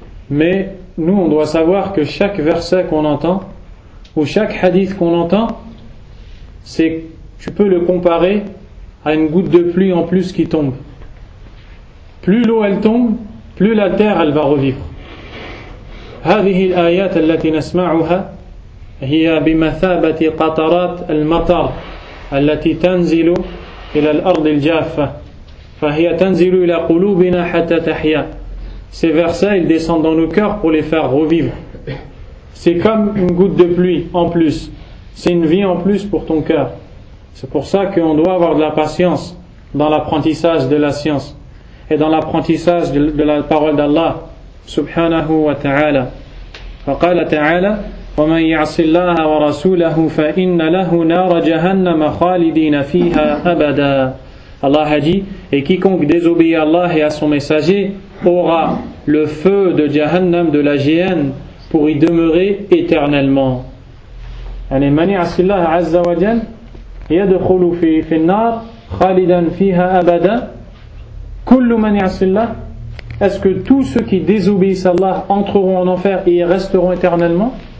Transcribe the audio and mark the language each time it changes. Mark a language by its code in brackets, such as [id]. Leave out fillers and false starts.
[fr] Mais nous, on doit savoir que chaque verset qu'on entend, ou chaque hadith qu'on entend, c'est, tu peux le comparer à une goutte de pluie en plus qui tombe. Plus l'eau elle tombe, plus la terre elle va revivre. [ar] هذه الآيات التي نسمعها هي بمثابة قطرات المطر التي تنزل إلى الأرض الجافة فهي تنزل إلى قلوبنا حتى تحيا. [fr] Ces versets, ils descendent dans nos cœurs pour les faire revivre. C'est comme une goutte de pluie en plus. C'est une vie en plus pour ton cœur. C'est pour ça qu'on doit avoir de la patience dans l'apprentissage de la science et dans l'apprentissage de la parole d'Allah subhanahu wa ta'ala. [ar] وقال تعالى ومن يعص الله ورسوله فإن له نار جهنم خالدين فيها أبدا. [fr] Allah a dit, et quiconque désobéit à Allah et à son messager aura le feu de Jahannam, de la Géhenne, pour y demeurer éternellement. Allez, [ar] man يعص الله عز وجل يدخل في النار خالدا فيها أبدا. كل من يعص الله, [fr] est-ce que tous ceux qui désobéissent à Allah entreront en enfer et y resteront éternellement?